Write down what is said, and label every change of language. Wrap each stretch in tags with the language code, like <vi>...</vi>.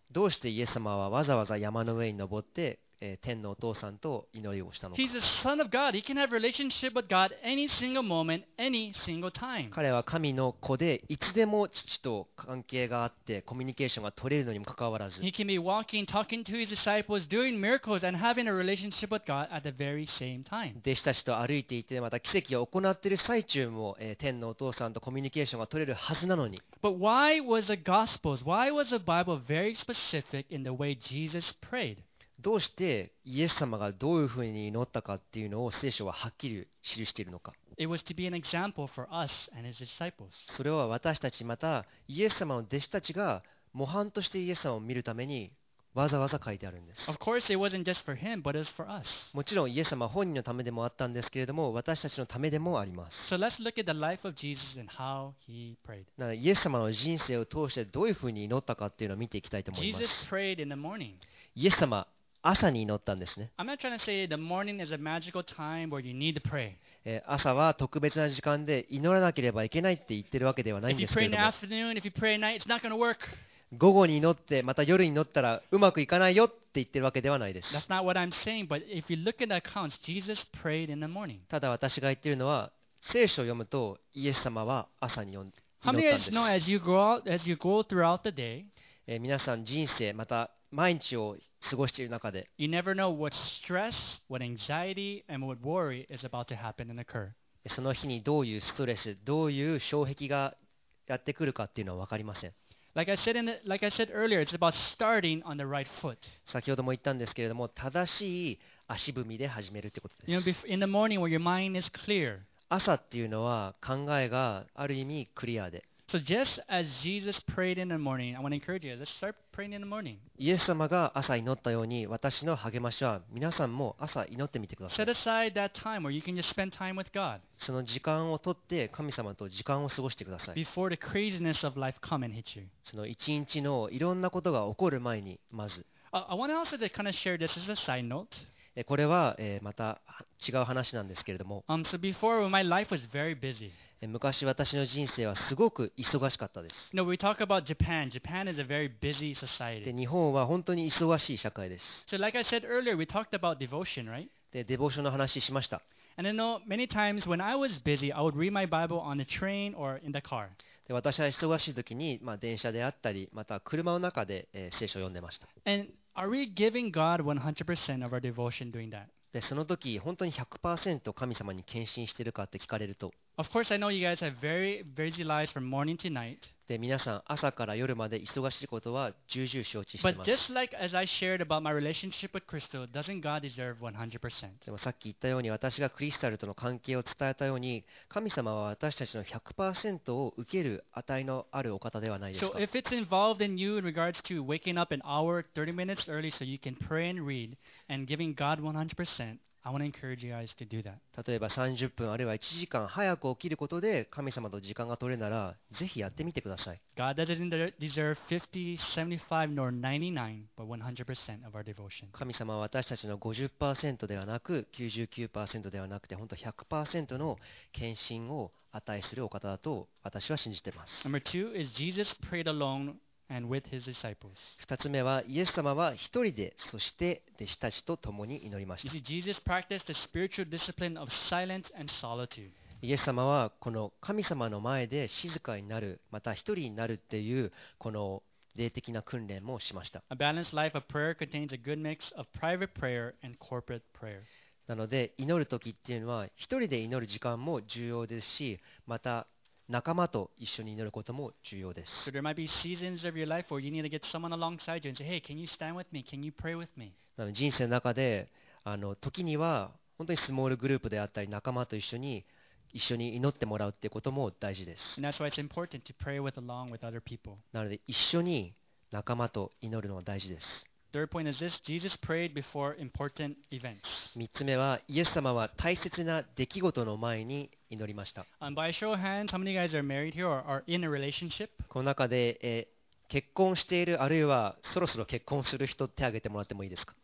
<ja>どうしてイエス様はわざわざ山の上に登って、天のお父さんと祈りをしたのか。</ja> <en>He's the Son of God. He can have relationship with God any single moment, any single time.</en> <ja>彼は神の子で、いつでも父と関係があってコミュニケーションが取れるのにもかかわらず、</ja> <en>He can be walking, talking to his disciples, doing miracles, and having a relationship with God at the very same time.</en> <ja>弟子たちと歩いていて、また奇跡を行っている最中も、天のお父さんとコミュニケーションが取れるはずなのに。</ja> <en>But why was the Gospels, why was the Bible very specific in the way Jesus prayed?</en> <ja>どうしてイエス様がどういうふうに祈ったかっていうのを聖書ははっきり記しているのか。</ja> <en>It was to be an example for us and his disciples.</en> <ja>それは私たち、またイエス様の弟子たちが模範としてイエス様を見るためにわざわざ書いてあるんです。</ja> <en>Of course, it wasn't just for him, but it was for us.</en> <ja>もちろんイエス様本人のためでもあったんですけれども、私たちのためでもあります。</ja> <en>So let's look at the life of Jesus and how he prayed.</en> <ja>イエス様の人生を通してどういうふうに祈ったかっていうのを見ていきたいと思います。</ja> <en>Jesus prayed in the morning.</en> <ja>イエス様朝に祈ったんですね。</ja> <en>I'm not trying to say the morning is a magical time where you need to pray.</en> <ja>朝は特別な時間で祈らなければいけないって言ってるわけではないんですけども。</ja> <en>If you pray in the afternoon, if you pray at night, it's not going to work.</en> <ja>午後に祈ってまた夜に祈ったらうまくいかないよって言ってるわけではないです。</ja> <en>That's not what I'm saying, but if you look at the accounts, Jesus prayed in the morning.</en> <ja>ただ私が言ってるのは、聖書を読むとイエス様は朝に祈ったんです。</ja> <en>How many of you know as you go throughout the day?</en> <ja>皆さん人生また毎日を過ごしている中で、</ja> <en>You never know what stress, what anxiety, and what worry is about to happen and occur.</en> <ja>その日にどういうストレス、どういう障壁がやってくるかっていうのは分かりません。</ja> <en>Like I said earlier, it's about starting on the right foot.</en> <ja>先ほども言ったんですけれども、正しい足踏みで始めるってことです。</ja> <en>You know, in the morning where your mind is clear.</en> <ja>朝っていうのは考えがある意味クリアで。</ja> <en>So just as Jesus prayed in the morning, I want to encourage you. Let's start praying in the morning.</en> <ja>イエス様が朝祈ったように、私の励ましは皆さんも朝祈ってみてください。</ja> <en>Set aside that time where you can just spend time with God.</en> <ja>その時間を取って神様と時間を過ごしてください。</ja> <en>Before the craziness of life come and hit you.</en> <ja>その一日のいろんなことが起こる前にまず。</ja> <en>I want to also to kind of share this as a side note.</en> <ja>これはまた違う話なんですけれども、</ja> <en>so before, my life was very busy.</en> <ja>昔私の人生はすごく忙しかったです。</ja> <en>No, we talk about Japan. Japan is a very busy society.</en> <ja>で、日本は本当に忙しい社会です。</ja> <en>So like I said earlier, we talked about devotion, right?</en> <ja>で、デボーションの話しました。</ja> <en>And I know many times when I was busy, I would read my Bible on the train or in the car.</en> <ja>で、私は忙しい時に、まあ、電車であったり、また車の中で、聖書を読んでました。</ja> <en>And are we giving God 100% of our devotion doing that?</en> <ja>で、その時本当に 100% 神様に献身してるかって聞かれると。</ja> <en>Of course, I know you guys have very busy lives from morning to night.</en> <ja>で、皆さん朝から夜まで忙しいことは重々承知してます。</ja> <en>But just like as I shared about my relationship with Crystal, doesn't God deserve 100%?</en> <ja>でもさっき言ったように、私がクリスタルとの関係を伝えたように、神様は私たちの 100% を受ける値のあるお方ではないですか。</ja> <en>So if it's involved in you in regards to waking up an hour, 30 minutes early so you can pray and read and giving God 100%,I want to encourage you guys to do that.</en> <ja>例えば30分あるいは1時間早く起きることで神様と時間が取れなら、ぜひやってみてください。</ja> <en>God doesn't deserve 50, 75, nor 99, but 100% of our devotion.</en> <ja>神様は私たちの 50% ではなく 99% ではなくて、本当 100% の献身を値するお方だと私は信じています。</ja> <en>Number two is Jesus prayed alone. And with his disciples.</en> <ja>2つ目はイエス様は一人で、そして弟子たちと共に祈りました。</ja> <en>you see, Jesus practiced the spiritual discipline of silence and solitude.</en> <ja>イエス様はこの神様の前で静かになる、また一人になるっていうこの霊的な訓練もしました。</ja> <en>A balanced life of prayer contains a good mix of private prayer and corporate prayer.</en> <ja>なので祈る時っていうのは一人で祈る時間も重要ですし、また仲間と一緒に祈ることも重要です。</ja> <en>So there might be seasons of your life where you need to get someone alongside you and say, "Hey, can you stand with me? Can you pray with me?"</en> <ja>人生の中で時には本当にスモールグループであったり仲間と一緒に祈ってもらうっていうことも大事です。</ja> <en>And that's why it's important to pray with along with other people.</en> <ja>なので一緒に仲間と祈るのは大事です。</ja> <en>Third point is this: Jesus prayed before important events.</en> <ja>3つ目はイエス様は大切な出来事の前に祈りました。</ja> <en>By a show of hands, how many guys are married here or are in a relationship?</en> <ja>この中で、結婚しているあるいはそろそろ結婚する人手を挙げてもらってもいいですか。</ja>